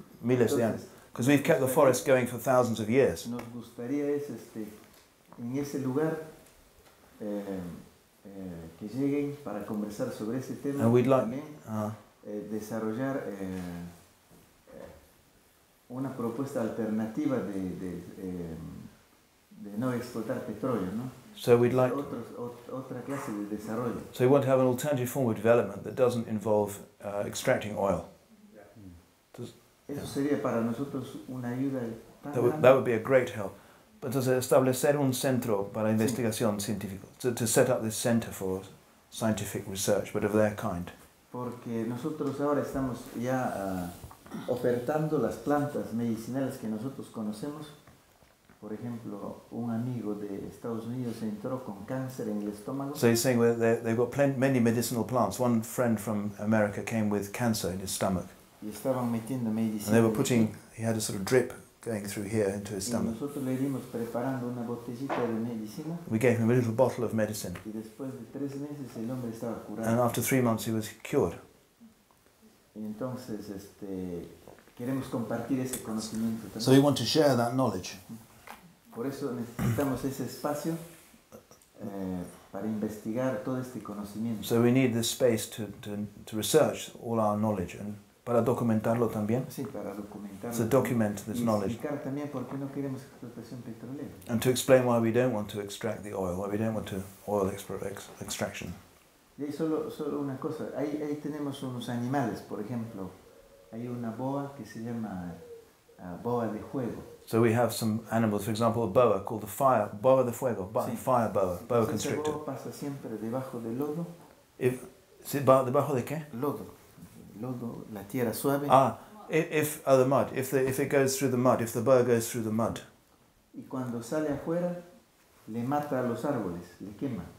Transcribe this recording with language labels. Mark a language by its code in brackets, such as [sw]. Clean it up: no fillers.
[es] Miles de años, [en] because we've kept the forest going for thousands of years. [es] Nos gustaría es en ese lugar que lleguen para conversar sobre ese tema. [en] And we'd like [es] desarrollar una propuesta alternativa de no explotar petróleo, ¿no? [en] So we'd like [es] otra clase de desarrollo. [en] So we want to have an alternative form of development that doesn't involve extracting oil. [es] Eso sería para nosotros una ayuda [en] that would be a great help. But to [es] establecer un centro para investigación científica, [en] to set up this center for scientific research, but of their kind. [es] Porque nosotros ahora estamos ya ofertando las plantas medicinales que nosotros conocemos. Por ejemplo, un amigo de Estados Unidos entró con cáncer en el estómago. [en] So he's saying that they've got many medicinal plants. One friend from America came with cancer in his stomach. [es] Y estaban metiendo medicina. [en] And they were putting, he had a sort of drip going through here into his stomach. [es] Y nosotros le dimos preparando una botellita de medicina. [en] We gave him a little bottle of medicine. [es] Y después de 3 meses el hombre estaba curado. [en] And after 3 months he was cured. [es] Y entonces, este, queremos compartir ese conocimiento también. [en] So we want to share that knowledge. [es] Por eso necesitamos ese espacio para investigar todo este conocimiento. [en] So we need this space to research all our knowledge and [es] para documentarlo también. Sí, para documentarlo. [en] To document this knowledge. [es] Y explicar también por qué no queremos explotación petrolera. [en] And to explain why we don't want to extract the oil, why we don't want to oil extraction. [es] Y solo una cosa, ahí tenemos unos animales, por ejemplo, hay una boa que se llama boa de fuego. [en] So we have some animals, for example, a boa called the fire, [es] boa de fuego, sí. [en] Fire boa, boa constrictor. [es] Boa pasa siempre debajo del lodo. Debajo de qué? Lodo. Lodo, la tierra suave. [en] Ah, the mud, if the boa goes through the mud. [es] Y cuando sale afuera, le mata a los árboles, le quema.